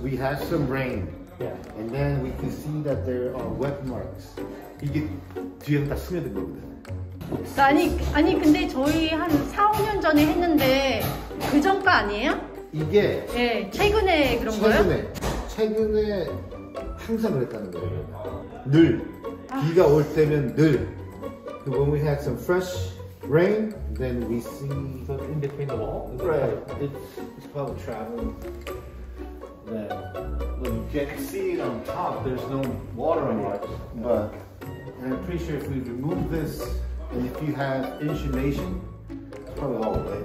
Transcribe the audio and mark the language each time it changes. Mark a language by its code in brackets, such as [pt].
[en] We had some rain, and then we can see that there are wet marks. [ko] 이게 뒤에 다 스며든 거거든. 아니 근데 저희 한 4-5년 전에 했는데 그 전 거 아니에요? 이게 예 최근에 그런 거예요? 최근에 항상 그랬다는 거예요. 늘 비가 올 때면 늘. [en] So when we had some fresh rain, then we see... So in between the wall? Right. It's called traveling. Then when you can see it on top, there's no water on it. But I'm pretty sure if we remove this, and if you have insulation, it's probably all wet.